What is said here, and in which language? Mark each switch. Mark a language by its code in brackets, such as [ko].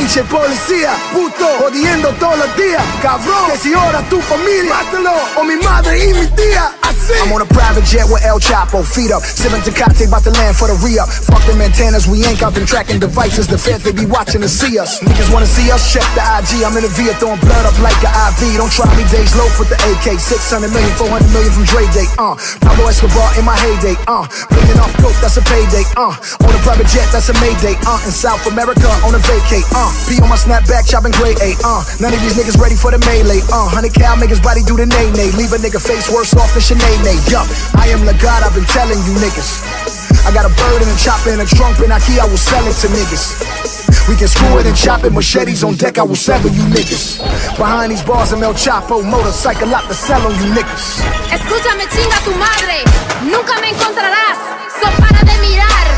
[es] Policía, puto, jodiendo todos los días, cabrón, que si ahora tu familia, mátalo, o mi madre y mi tía. [en] I'm on a private jet with El Chapo, feet up. Sipping Tecate, about to land for the re-up. Fuck them antennas, we ain't got them tracking devices. The feds, they be watching to see us. Niggas wanna see us, check the IG. I'm in a VIA throwing blood up like an IV. Don't try me, days low for the AK. 600 million, 400 million from Dre Day, Pablo Escobar in my heyday, Million off coke, that's a payday, On a private jet, that's a mayday, In South America, on a vacay, Pee on my snapback, chopping gray, None of these niggas ready for the melee, 100 cal, make his body do the nay-nay. Leave a nigga face worse off than Chanel. I am the God, I've been telling you niggas. I got a bird and a chopper and a trunk and a key, I will sell it to niggas. We can screw it and chop it, machetes on deck, I will sever you niggas. Behind these bars, I'm El Chapo, motorcycle out to sell on you niggas. [es] Escúchame, chinga tu madre, nunca me encontrarás, so para de mirar.